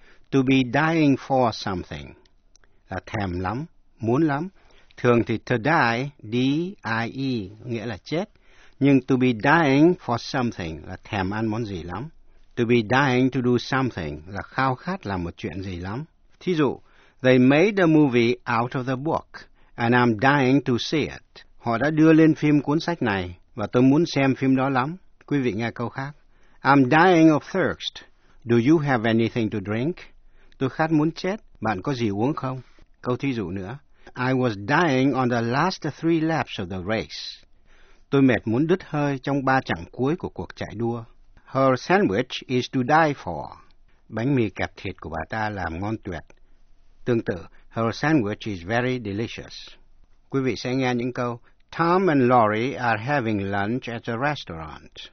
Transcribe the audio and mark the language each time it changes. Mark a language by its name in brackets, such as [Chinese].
[English] To be dying for something [Vietnamese] là thèm lắm, muốn lắm. Thường thì [English] to die, [Vietnamese] D-I-E, nghĩa là chết. Nhưng [English] to be dying for something [Vietnamese] là thèm ăn món gì lắm. [English] To be dying to do something [Vietnamese] là khao khát làm một chuyện gì lắm. Thí dụ, [English] they made a movie out of the book, and I'm dying to see it. [Vietnamese] Họ đã đưa lên phim cuốn sách này, và tôi muốn xem phim đó lắm. Quý vị nghe câu khác. [English] I'm dying of thirst. Do you have anything to drink? [Vietnamese] Tôi khát muốn chết. Bạn có gì uống không? Câu thí dụ nữa. [English] I was dying on the last 3 laps of the race. [Vietnamese] Tôi mệt muốn đứt hơi trong 3 chặng cuối của cuộc chạy đua. [English] Her sandwich is to die for. [Vietnamese] Bánh mì kẹp thịt của bà ta làm ngon tuyệt. Tương tự, [English] her sandwich is very delicious. [Vietnamese] Quý vị sẽ nghe những câu [English] Tom and Laurie are having lunch at a restaurant.